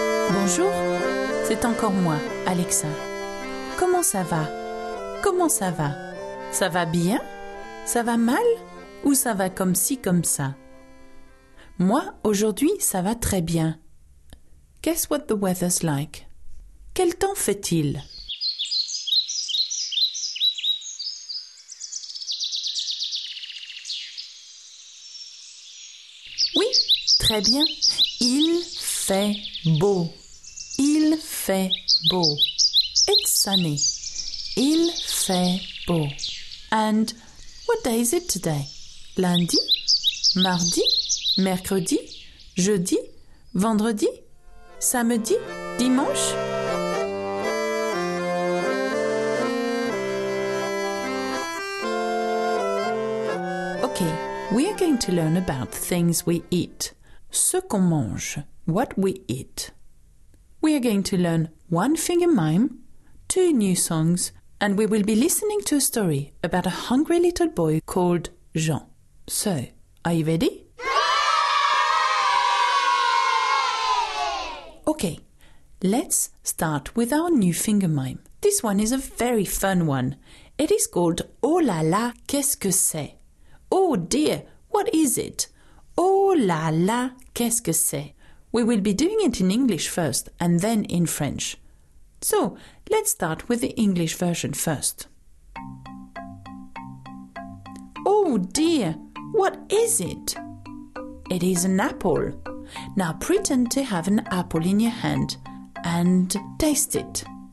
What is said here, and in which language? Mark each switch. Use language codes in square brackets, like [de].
[fr] Bonjour, c'est encore moi, Alexa. Comment ça va? Comment ça va? Ça va bien? Ça va mal? Ou ça va comme ci, comme ça? Moi, aujourd'hui, ça va très bien. [en] Guess what the weather's like? [fr] Quel temps fait-il? Oui, très bien. Il fait beau. Il fait beau. [en] It's sunny. [fr] Il fait beau. [en] And what day is it today? [fr] Lundi, mardi, mercredi, jeudi, vendredi, samedi, dimanche? [en] Okay, we are going to learn about things we eat. [fr] Ce qu'on mange, [en] what we eat. We are going to learn one finger mime, two new songs, and we will be listening to a story about a hungry little boy called Jean. So, are you ready? Okay, let's start with our new finger mime. This one is a very fun one. It is called [fr] Oh là là, qu'est-ce que c'est? [en] Oh dear, what is it? [fr] Oh là là, qu'est-ce que c'est? [en] We will be doing it in English first and then in French. So, let's start with the English version first. Oh dear, what is it? It is an apple. Now pretend to have an apple in your hand and taste it.